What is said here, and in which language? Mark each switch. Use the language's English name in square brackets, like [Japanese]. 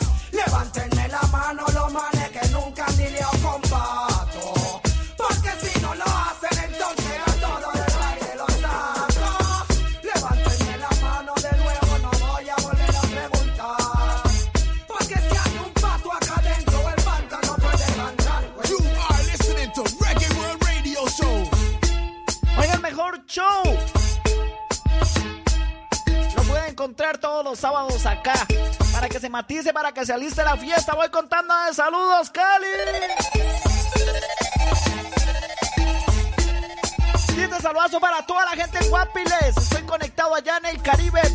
[Spanish] Levantenle la mano los manes que nunca han dileado con pato. Porque si no lo hacen, entonces a todos les baile los datos. Levantenle la mano de nuevo, no voy a volver a preguntar. Porque si hay un pato acá dentro, el pato no puede cantar. Pues. [English] You are listening to Reggae World Radio Show. [Spanish] Oye, el mejor show. Encontrar todos los sábados acá para que se matice, para que se aliste la fiesta. Voy contando de saludos, Cali. Y este saludazo para toda la gente en Guapiles. Estoy conectado allá en el Caribe.